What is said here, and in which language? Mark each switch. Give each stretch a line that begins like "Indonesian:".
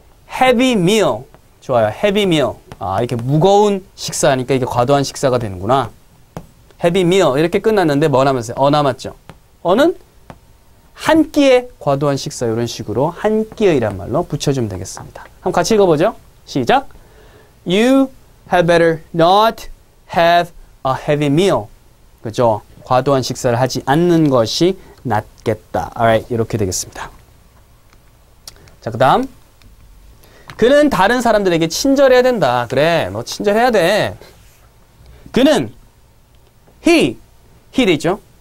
English: Heavy meal. 좋아요. heavy meal.
Korean: 아, 이렇게 무거운 식사하니까 이게 과도한 식사가 되는구나.
English: heavy meal.
Korean: 이렇게 끝났는데 뭐 남았어요? 어 남았죠. 어는 한 끼의 과도한 식사 이런 식으로 한 끼의란 말로 붙여주면 되겠습니다. 한번 같이 읽어보죠. 시작.
English: You had better not have a heavy meal.
Korean: 그죠? 과도한 식사를 하지 않는 것이 낫겠다. Alright. 이렇게 되겠습니다. 자, 그 다음. 그는 다른 사람들에게 친절해야 된다. 그래, 너 친절해야 돼. 그는 he 되죠.